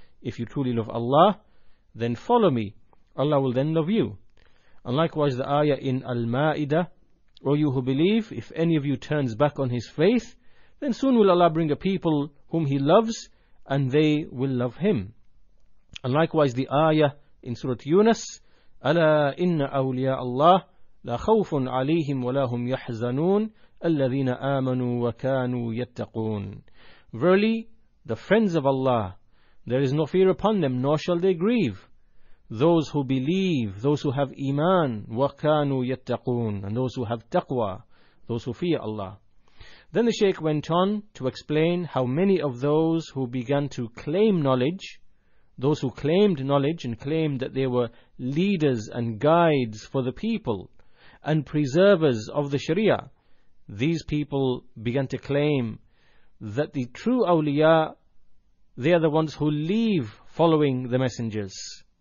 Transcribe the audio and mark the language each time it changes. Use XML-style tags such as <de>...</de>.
<en>If you truly love Allah, then follow me, Allah will then love you. And likewise the ayah in Al-Ma'idah, O you who believe, if any of you turns back on his faith, then soon will Allah bring a people whom he loves, and they will love him. And likewise the ayah in Surah Yunus,</en> <ar>أَلَا إِنَّ أَوْلِيَاءَ اللَّهِ لَا خَوْفٌ عَلَيْهِمْ وَلَا هُمْ يَحْزَنُونَ الَّذِينَ آمَنُوا وَكَانُوا يَتَّقُونَ.</ar> <en>Verily, the friends of Allah, there is no fear upon them, nor shall they grieve. Those who believe, those who have iman,</en> <ar>وَكَانُوا يَتَّقُونَ,</ar> <en>and those who have taqwa, those who fear Allah. Then the Shaykh went on to explain how many of those who began to claim knowledge, those who claimed knowledge and claimed that they were leaders and guides for the people and preservers of the Sharia, these people began to claim that the true awliya, they are the ones who leave following the messengers.</en>